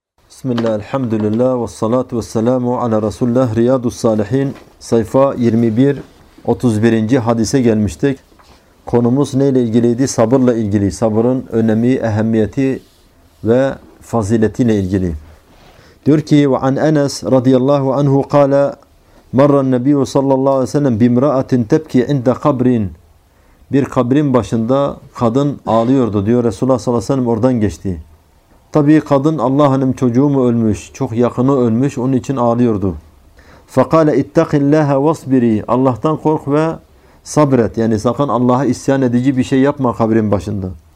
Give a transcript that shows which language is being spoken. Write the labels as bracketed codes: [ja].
[ar] بسم الله الحمد لله والصلاة والسلام على رسول الله رياض الصالحين. [tr] Sayfa 21, 31. hadise gelmiştik. Konumuz neyle ilgiliydi? Sabırla ilgili. Sabırın önemi, ehemmiyeti ve faziletiyle ilgili. Diyor ki [ar] وَعَنْ أَنَسْ رَضِيَ اللّٰهُ عَنْهُ قَالَ مَرَّ النَّبِيُّ صَلَّى اللّٰهُ عَلَيْهِ وَسَلَّمْ بِمْرَأَةٍ تَبْكِي عِنْدَ قَبْرٍ. [tr] Bir kabrin başında kadın ağlıyordu diyor. Resulullah sallallahu aleyhi ve sellem oradan geçti. Tabii kadın Allah'ın çocuğu mu ölmüş, çok yakını ölmüş, onun için ağlıyordu. [ar] فَقَالَ اِتَّقِ اللّٰهَ وَاسْبِرِي. [tr] Allah'tan kork ve sabret. Yani sakın Allah'a isyan edici bir şey yapma kabrin başında.